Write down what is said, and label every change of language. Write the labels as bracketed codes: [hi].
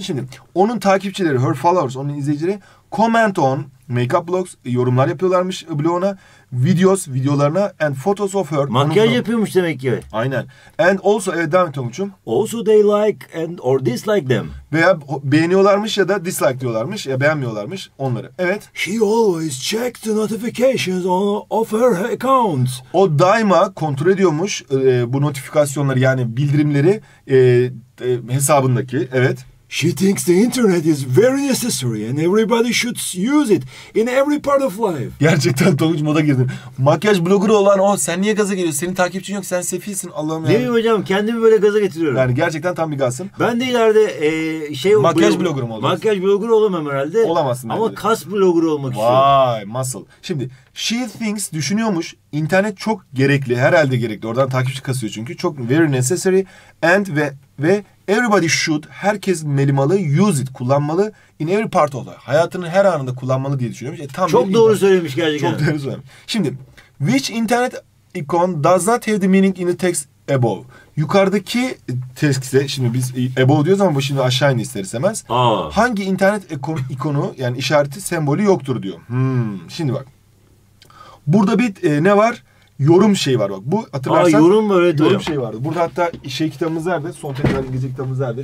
[tr] Şimdi onun takipçileri, her followers, onun izleyicileri [en] comment on makeup blogs, [tr] yorumlar yapıyorlarmış bloguna, videolarına [en] and photos of her. [tr] Makyaj yapıyormuş demek ki. Aynen. [en] And also, [tr] evet devam et Tonguç'um. [en] Also they like and or dislike them. [tr] Veya beğeniyorlarmış ya da dislike diyorlarmış ya beğenmiyorlarmış onları. Evet. [en] She always checks the notifications of her accounts. [tr] O daima kontrol ediyormuş bu notifikasyonları yani bildirimleri hesabındaki. Evet. [en] She thinks the internet is very necessary and everybody should use it in every part of life. [tr] Gerçekten Tonguç moda girdin. Makyaj blogger olan o sen niye gaza geliyorsun? Senin takipçin yok sen sefilsin Allah'ım yani. Değil mi hocam kendimi böyle gaza getiriyorum. Yani gerçekten tam bir gazsın. Ben de ileride makyaj blogger'ım olacağım. Makyaj blogger olamam herhalde. Olamazsın. Ama herhalde. Kas blogger olmak istiyorum. Vay muscle. Şimdi [en] she thinks [tr] düşünüyormuş internet çok gerekli herhalde gerekli. Oradan takipçi kasıyor çünkü çok [en] very necessary and [tr] ve [en] everybody should, [tr] herkes melimalı, [en] use it, [tr] kullanmalı [en] in every part of life. [tr] Hayatının her anında kullanmalı diye düşünüyormuş. Tam çok doğru söylemiş gerçekten. Çok doğru söylemiş. [en] Şimdi, which internet icon does not have the meaning in the text above? [tr] Yukarıdaki tekste, şimdi biz above diyoruz ama bu şimdi aşağı iniyor ister istemez. Hangi internet ikonu, yani işareti, sembolü yoktur diyor. Şimdi bak, burada bir ne var? Yorum şeyi var bak. Bu hatırlarsan. Yorum böyle diyor. Yorum şeyi vardı. Burada hatta şey kitabımız nerede? Son tekrar İngilizce kitabımız nerede?